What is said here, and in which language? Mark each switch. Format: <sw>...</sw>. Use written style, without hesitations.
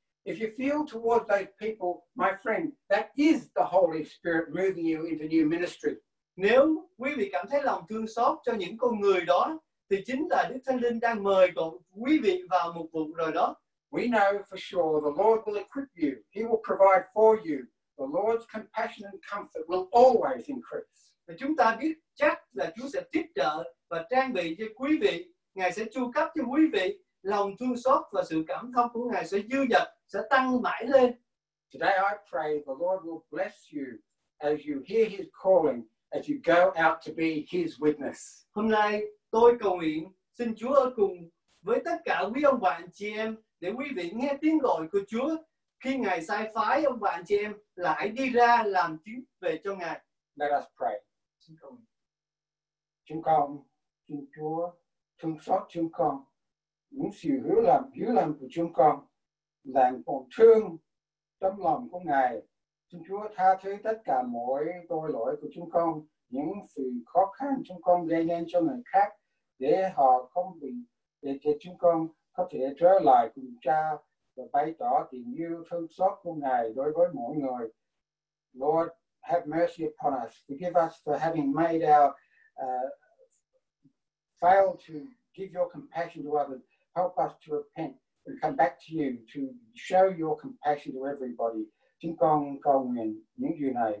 <en>if you feel towards those people, my friend, that is the Holy Spirit moving you into new ministry.</en> <vi>Nếu quý vị cảm thấy lòng thương xót cho những con người đó, thì chính là Đức Thánh Linh đang mời quý vị vào một vụ rồi đó.</vi> <en>We know for sure the Lord will equip you. He will provide for you. The Lord's compassion and comfort will always increase.</en> <vi>Và chúng ta biết chắc là Chúa sẽ tiếp trợ và trang bị cho quý vị. Ngài sẽ chu cấp cho quý vị. Lòng thương xót và sự cảm thông của Ngài sẽ dư dật, sẽ tăng mãi lên.</vi> <en>Today I pray the Lord will bless you as you hear His calling, as you go out to be His witness.</en> <vi>Hôm nay tôi cầu nguyện xin Chúa ở cùng với tất cả quý ông bà anh chị em để quý vị nghe tiếng gọi của Chúa khi Ngài sai phái ông bà anh chị em là hãy đi ra làm chứng về cho Ngài.</vi> <en>Let us pray.</en> <vi>Xin cầu nguyện. Chúng con, xin Chúa thương xót chúng con. Những sự hứa làm hiếu lâm của chúng con là còn thương tấm lòng của Ngài. Xin Chúa tha thứ tất cả mọi tội lỗi của chúng con, những sự khó khăn chúng con gây nên cho người khác để họ không bị, để chúng con có thể trở lại cùng Cha và bày tỏ tình yêu thương xót của Ngài đối với mọi người.</vi> <en>Lord, have mercy upon us. Forgive us for having made our failed to give your compassion to others. Help us to repent and come back to you to show your compassion to everybody.</en> <vi>Chúng con cầu nguyện những điều này.</vi>